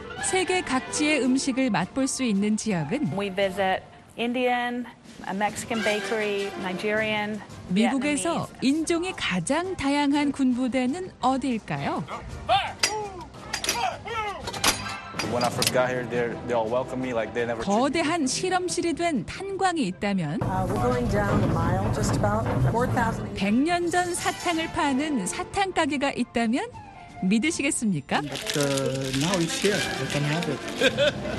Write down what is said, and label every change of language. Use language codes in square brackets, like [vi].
[ko] 세계 각지의 음식을 맛볼 수 있는 지역은 [en] We visit Indian, a Mexican bakery, Nigerian, [ko] 미국에서 [en] Vietnamese. [ko] 인종이 가장 다양한 군부대는 어디일까요? [en] When I first got here, they all welcomed me like they never. [ko] 거대한 실험실이 된 탄광이 있다면. [en] We're going down a mile, just about 4,000. [ko] 100년 전 사탕을 파는 사탕 가게가 있다면 믿으시겠습니까? [en] But now it's here. We can have it.